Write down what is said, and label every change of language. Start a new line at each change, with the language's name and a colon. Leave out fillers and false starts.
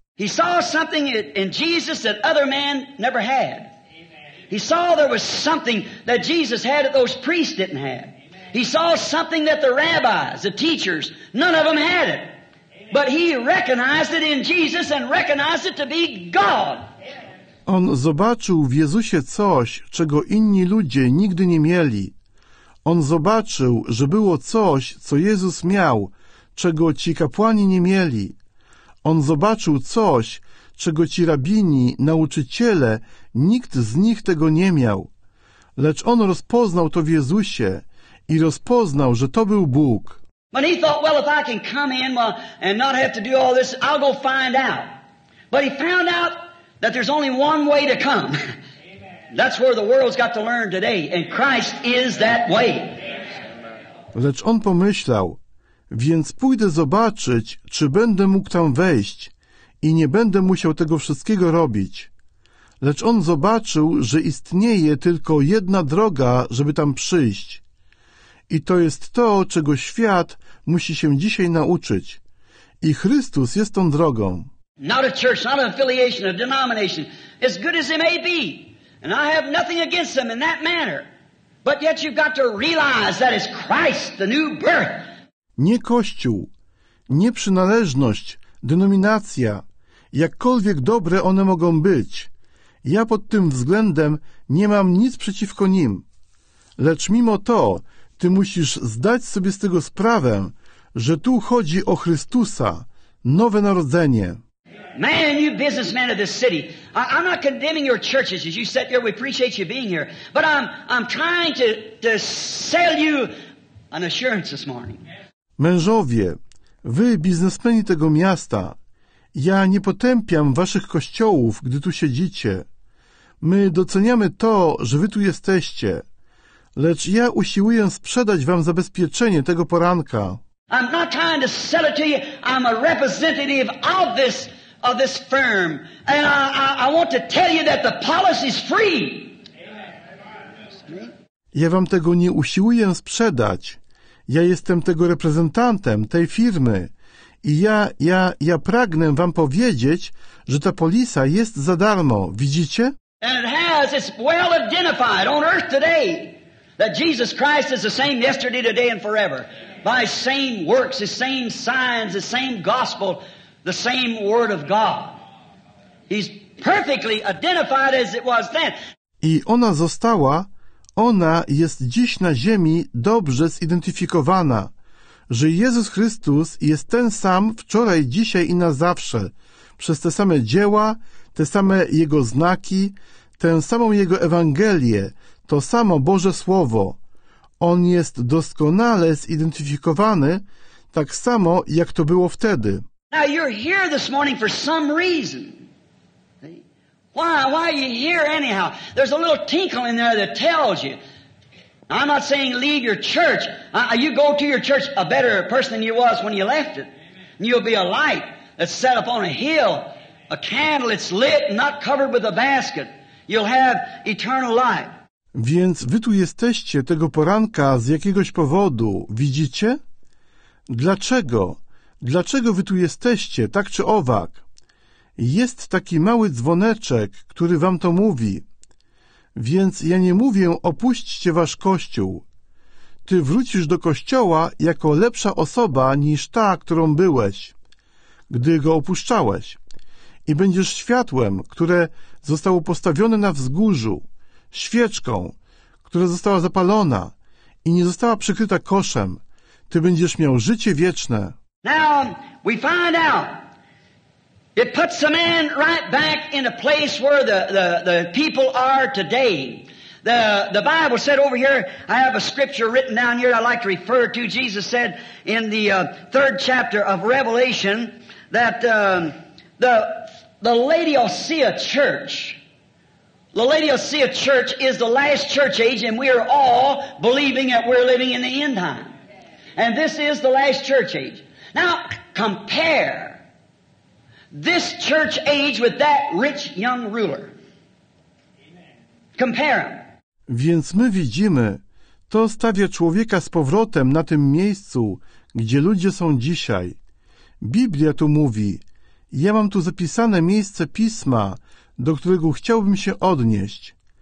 English: He saw something in Jesus that other men never had. He saw there was something that Jesus had that those priests didn't have. He saw something that the rabbis, the teachers, none of them had it. But he recognized it in Jesus and recognized it to be God.
Polish: On zobaczył w Jezusie coś, czego inni ludzie nigdy nie mieli. On zobaczył, że było coś, co Jezus miał, czego ci kapłani nie mieli. On zobaczył coś, czego ci rabini, nauczyciele, nikt z nich tego nie miał. Lecz on rozpoznał to w Jezusie i rozpoznał, że to był Bóg.
English: But he thought, well, if I can come in and not have to do all this, I'll go find out. But he found out that there's only one way to come. That's where the world's got to learn today, and Christ is that way.
Polish: Lecz on pomyślał, więc pójdę zobaczyć, czy będę mógł tam wejść i nie będę musiał tego wszystkiego robić. Lecz on zobaczył, że istnieje tylko jedna droga, żeby tam przyjść. I to jest to, czego świat musi się dzisiaj nauczyć. I Chrystus jest tą drogą.
English: Not a church, not an affiliation, a denomination, as good as they may be. And I have nothing against them in that manner. But yet you've got to realize that is Christ, the new birth.
Polish: Nie Kościół, nie przynależność, denominacja, jakkolwiek dobre one mogą być. Ja pod tym względem nie mam nic przeciwko nim. Lecz mimo to, ty musisz zdać sobie z tego sprawę, że tu chodzi o Chrystusa, nowe narodzenie.
English: Man, you businessmen of this city, I'm not condemning your churches as you sit here. We appreciate you being here. But I'm trying to sell you an assurance this morning.
Polish: Mężowie, wy biznesmeni tego miasta, ja nie potępiam waszych kościołów, gdy tu siedzicie. My doceniamy to, że wy tu jesteście. Lecz ja usiłuję sprzedać wam zabezpieczenie tego poranka.
English: I'm not trying to sell it to you. I'm a representative of this firm, and I want to tell you that the policy is free.
Polish: Ja wam tego nie usiłuję sprzedać. Ja jestem tego reprezentantem tej firmy i ja pragnę wam powiedzieć, że ta polisa jest za darmo. Widzicie?
English: And it has. It's well identified on earth today that Jesus Christ is the same yesterday, today, and forever. By his same works, his same signs, the same gospel, the same word of God. He's perfectly identified as it was then.
Polish: I ona została, ona jest dziś na ziemi dobrze zidentyfikowana, że Jezus Chrystus jest ten sam wczoraj, dzisiaj i na zawsze, przez te same dzieła, te same Jego znaki, tę samą Jego Ewangelię, to samo Boże Słowo. On jest doskonale zidentyfikowany, tak samo jak to było wtedy.
English: Now you're here this morning for some reason. Why are you here anyhow? There's a little tinkle in there that tells you. I'm not saying leave your church. You go to your church a better person than you was when you left it. And you'll be a light that's set up on a hill, a candle that's lit, not covered with a basket. You'll have eternal life.
Polish: Więc wy tu jesteście tego poranka z jakiegoś powodu, widzicie? Dlaczego? Dlaczego wy tu jesteście, tak czy owak? Jest taki mały dzwoneczek, który wam to mówi. Więc ja nie mówię, opuśćcie wasz kościół. Ty wrócisz do kościoła jako lepsza osoba niż ta, którą byłeś, gdy go opuszczałeś. I będziesz światłem, które zostało postawione na wzgórzu, świeczką, która została zapalona i nie została przykryta koszem. Ty będziesz miał życie wieczne.
English: Now we find out. It puts a man right back in a place where the people are today. The Bible said over here, I have a scripture written down here I'd like to refer to. Jesus said in the third chapter of Revelation that the Laodicea church, the Laodicea church is the last church age, and we are all believing that we're living in the end time. And this is the last church age. Now, compare this church age with that rich young ruler. Compare them.
Polish: Więc my widzimy, to stawia człowieka z powrotem na tym miejscu, gdzie ludzie są dzisiaj. Biblia tu mówi, ja mam tu zapisane miejsce pisma, do którego chciałbym się odnieść.